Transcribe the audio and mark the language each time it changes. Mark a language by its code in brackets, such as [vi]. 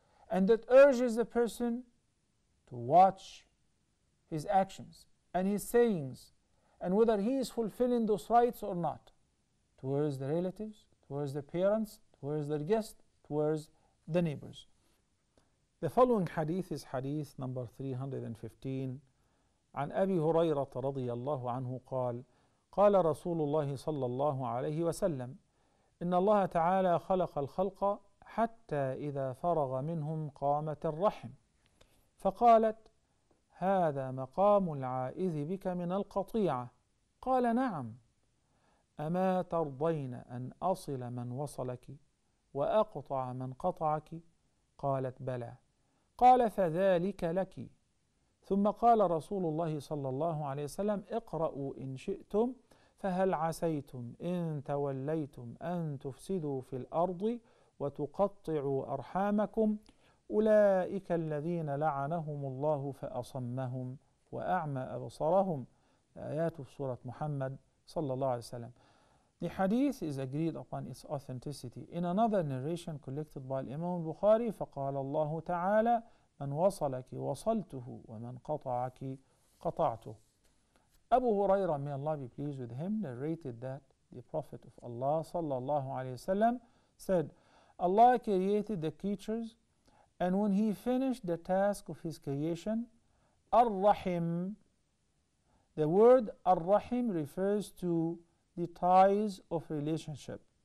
[en] And that urges a person to watch his actions and his sayings and whether he is fulfilling those rights or not towards the relatives, towards the parents, towards their guests, towards the neighbors. The following hadith is hadith number 315. [ar] عن أبي هريرة رضي الله عنه قال قال رسول الله صلى الله عليه وسلم إن الله تعالى خلق الخلق حتى إذا فرغ منهم قامت الرحم فقالت هذا مقام العائذ بك من القطيعة قال نعم أما ترضين أن أصل من وصلك وأقطع من قطعك قالت بلى قال فذلك لك ثم قال رسول الله صلى الله عليه وسلم اقرأوا إن شئتم فهل عسيتم إن توليتم أن تفسدوا في الأرض وتقطعوا أرحامكم أولئك الذين لعنهم الله فأصمهم وأعمى أبصرهم آيات سورة محمد صلى الله عليه وسلم. [en] The hadith is agreed upon its authenticity. In another narration collected by Imam Bukhari, [ar] فقال الله تعالى من وصلك وصلته ومن قطعك قطعته. [en] Abu Huraira, may Allah be pleased with him, narrated that the Prophet of Allah [ar] صلى الله عليه وسلم [en] said, Allah created the creatures, and when he finished the task of his creation, Ar-Rahim, the word Ar-Rahim refers to the ties of relationship.